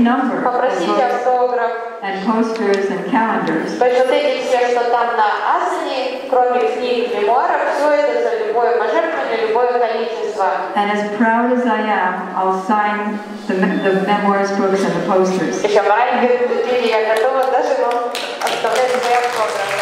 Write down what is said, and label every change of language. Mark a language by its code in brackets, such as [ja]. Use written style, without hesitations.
[ru] вы хотите попросить автограф, [en] and posters and calendars. [ru] То есть вот эти все, что там на Асане, кроме книг и мемуаров, все это за любое пожертвование, любое количество. [en] And as proud as I am, I'll sign the memoirs books and the posters. [ru] Еще маленькие я готова даже вам оставлять свои автографы.